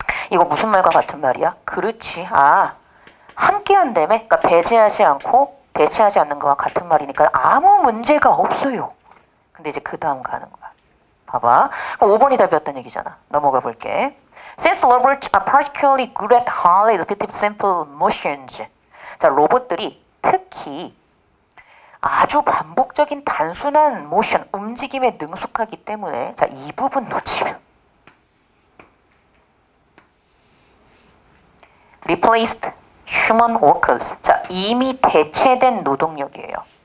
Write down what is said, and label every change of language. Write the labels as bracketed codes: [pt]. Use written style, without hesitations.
[ko] 이거 무슨 말과 같은 말이야? 그렇지. 아, 함께 한다며? 그러니까 배제하지 않고 대체하지 않는 것과 같은 말이니까 아무 문제가 없어요. 근데 이제 그 다음 가는 거야. 봐봐. 그럼 5번이 답이었던 얘기잖아. 넘어가 볼게. [en] Since robots are particularly good at highly repetitive simple motions. [ko] 자, 로봇들이 특히 아주 반복적인 단순한 모션, 움직임에 능숙하기 때문에 자, 이 부분 놓치면 [en] Replaced human workers [ko] 자, 이미 대체된 노동력이에요.